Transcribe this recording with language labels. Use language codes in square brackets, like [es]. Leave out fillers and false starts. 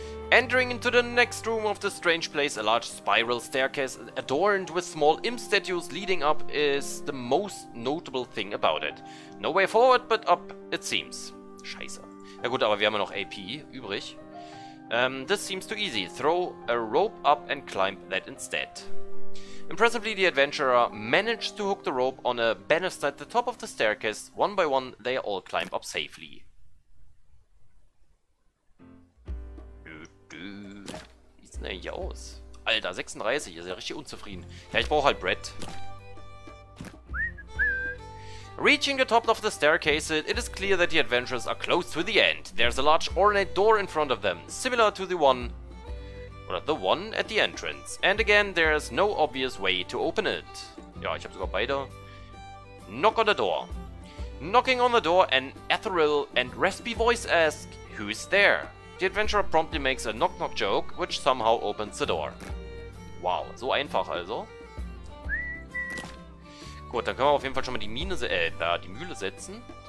[en] Entering into the next room of the strange place, a large spiral staircase adorned with small imp statues leading up is the most notable thing about it. No way forward, but up, it seems. [de] Scheiße. Ja gut, aber wir haben ja noch AP übrig. [en] This seems too easy. Throw a rope up and climb that instead. Impressively, the adventurer managed to hook the rope on a banister at the top of the staircase. One by one, they all climb up safely. [de] Wie sieht's denn hier aus? Alter, 36, ist ja richtig unzufrieden. Ja, ich brauche halt Brett. [en] Reaching the top of the staircase, it is clear that the adventurers are close to the end. There's a large ornate door in front of them, similar to the one... Oder the one at the entrance. And again, there is no obvious way to open it. [de] Ja, ich habe sogar beide. [en] Knock on the door. Knocking on the door, an ethereal and raspy voice ask, who's there? The adventurer promptly makes a knock-knock joke, which somehow opens the door. [de] Wow, so einfach also. Gut, dann können wir auf jeden Fall schon mal die Mühle setzen.